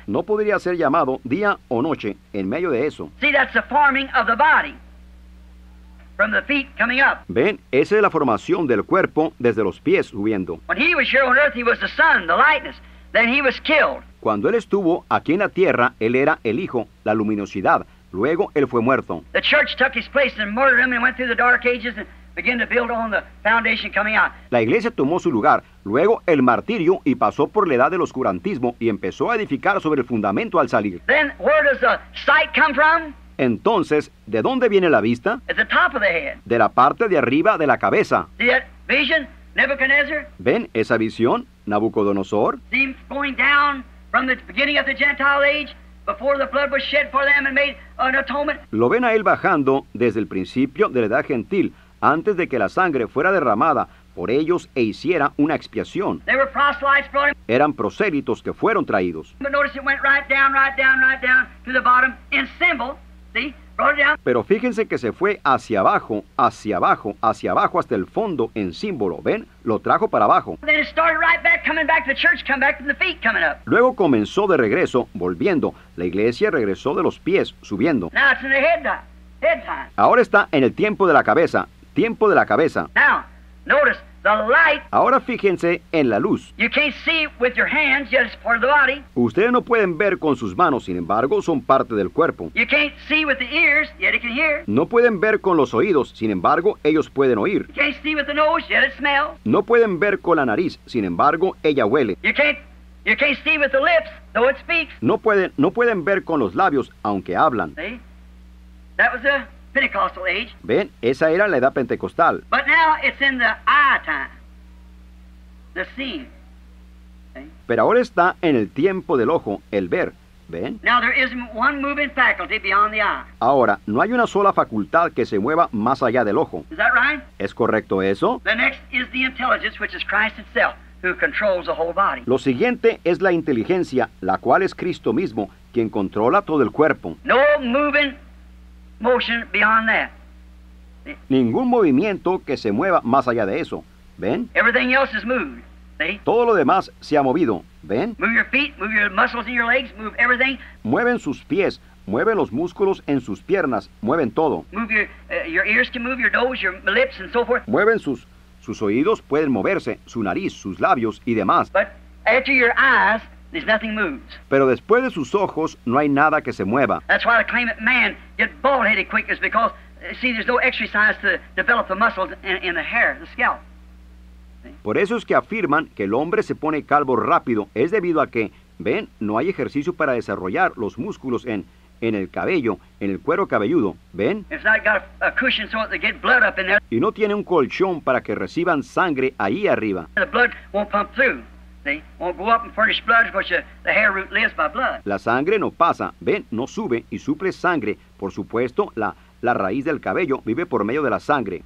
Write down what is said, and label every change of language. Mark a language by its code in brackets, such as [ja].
[es] No podría ser llamado día o noche en medio de eso. [en] See, that's the forming of the body from the feet coming up. [es] Ven, esa es la formación del cuerpo desde los pies subiendo. [en] When he was here on earth, he was the sun, the lightness. Then he was killed. [es] Cuando él estuvo aquí en la tierra, él era el hijo, la luminosidad. Luego él fue muerto. [en] The church took his place and murdered him and went through the dark ages and began to build on the foundation coming out. [es] La iglesia tomó su lugar, luego el martirio y pasó por la edad del oscurantismo y empezó a edificar sobre el fundamento al salir. [en] Then where does the sight come from? [es] Entonces, ¿de dónde viene la vista? [en] At the top of the head. [es] De la parte de arriba de la cabeza. [en] See that vision, Nebuchadnezzar? [es] ¿Ven esa visión, Nabucodonosor? [en] See him going down from the beginning of the Gentile age. Before the blood was shed for them and made an atonement. [es] Lo ven a él bajando desde el principio de la edad gentil, antes de que la sangre fuera derramada por ellos e hiciera una expiación. [en] They were proselytes brought him. [es] Eran prosélitos que fueron traídos. [en] But notice it went right down to the bottom in symbol. See? Brought it down. [es] Pero fíjense que se fue hacia abajo hasta el fondo en símbolo. ¿Ven? Lo trajo para abajo. [en] Then it started right back, coming back to the church, coming back from the feet, coming up. [es] Luego comenzó de regreso, volviendo. La iglesia regresó de los pies, subiendo. [en] Now it's in the head time. [es] Ahora está en el tiempo de la cabeza. Tiempo de la cabeza. [en] Now, notice the light. [es] Ahora fíjense en la luz. [en] You can't see with your hands, yet it's part of the body. [es] Ustedes no pueden ver con sus manos, sin embargo, son parte del cuerpo. [en] You can't see with the ears, yet it can hear. [es] No pueden ver con los oídos, sin embargo, ellos pueden oír. [en] You can't see with the nose, yet it smells. [es] No pueden ver con la nariz, sin embargo, ella huele. [en] You can't see with the lips, though it speaks. [es] No pueden ver con los labios, aunque hablan. [en] See? That was a Pentecostal age. [es] Ven, esa era la edad pentecostal. [en] But now it's in the eye time. The seeing. [es] Pero ahora está en el tiempo del ojo, el ver. Ven. [en] Now there isn't one moving faculty beyond the eye. [es] Ahora, no hay una sola facultad que se mueva más allá del ojo. [en] Is that right? [es] ¿Es correcto eso? [en] The next is the intelligence, which is Christ himself, who controls the whole body. [es] Lo siguiente es la inteligencia, la cual es Cristo mismo, quien controla todo el cuerpo. [en] No moving motion beyond that. [es] Ningún movimiento que se mueva más allá de eso. ¿Ven? [en] Everything else is moved. See? [es] Todo lo demás se ha movido. ¿Ven? [en] Move your feet, move your muscles in your legs, move everything. [es] Mueven sus pies, mueven los músculos en sus piernas, mueven todo. [en] Move your ears can move, your nose, your lips and so forth. [es] Mueven sus oídos, pueden moverse, su nariz, sus labios y demás. [en] But after your eyes, there's nothing moves. [es] Pero después de sus ojos, no hay nada que se mueva. [en] That's why the claimant man get bald-headed quick is because, see, there's no exercise to develop the muscles in the hair, the scalp. See? [es] Por eso es que afirman que el hombre se pone calvo rápido. Es debido a que, ven, no hay ejercicio para desarrollar los músculos en el cabello, en el cuero cabelludo. ¿Ven? [en] It's not got a cushion so they get blood up in there. [es] Y no tiene un colchón para que reciban sangre ahí arriba. [en] The blood won't pump through. See? Won't go up and furnish blood because the hair root lives by blood. [es] La sangre no pasa, ven, no sube y suple sangre. Por supuesto, la raíz del cabello vive por medio de la sangre.